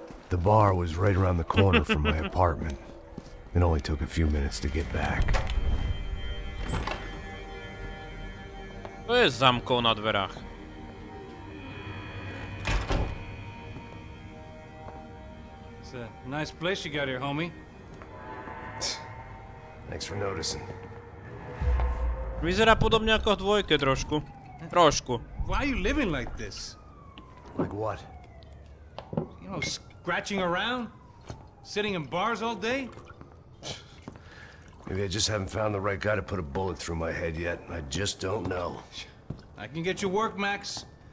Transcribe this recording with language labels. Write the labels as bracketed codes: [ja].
[en] The bar was right around the corner from my apartment. It only took a few minutes to get back. [sk] To je zamkou na dverách. [en] It's a nice place you got here, homie. Thanks for noticing. [sk] Vyzerá podobne ako v dvojke trošku. [en] Why are you living like this? Like what? You know, scratching around? Sitting in bars all day? Maybe I just haven't found the right guy to put a bullet through my head yet. I just don't know. I can get you work, Max.